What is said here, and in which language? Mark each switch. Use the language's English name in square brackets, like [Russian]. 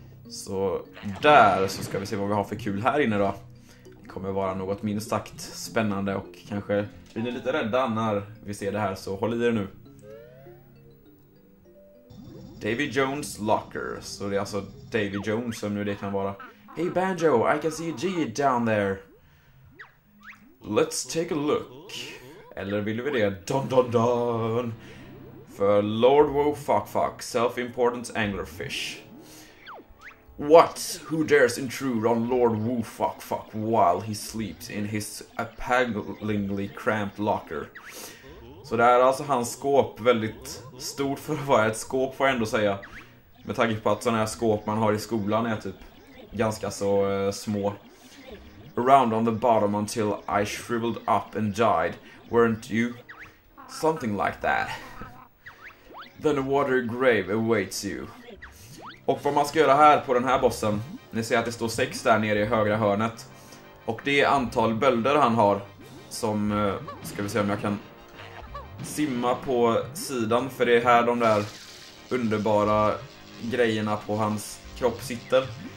[Swedish] Så där. Så ska vi se vad vi har för kul här inne då. Det kommer vara något minst sagt spännande och kanske blir ni lite rädda när vi ser det här, så håll i er nu. Davy Jones Locker. Så det är alltså Davy Jones som nu det kan vara. [English] Hey Banjo, I can see a G down there. Let's take a look. [Swedish] Eller vill vi det? [English] Dun dun dun. För Lord Woe Fuck Fuck, self-important anglerfish. What? Who dares intrude on Lord Woofuckfuck while he sleeps in his appallingly cramped locker? [Swedish] Så det är alltså hans skåp, väldigt stort för att vara ett skåp får jag ändå säga. Med tanke på att sådana här skåp man har i skolan är typ ganska så små. [English] Around on the bottom until I shriveled up and died, weren't you? Something like that. Then a watery grave awaits you. [Swedish] Och vad man ska göra här på den här bossen, ni ser att det står 6 där nere i högra hörnet. Och det är antal bölder han har, som, ska vi se om jag kan simma på sidan, för det är här de där underbara grejerna på hans kropp sitter.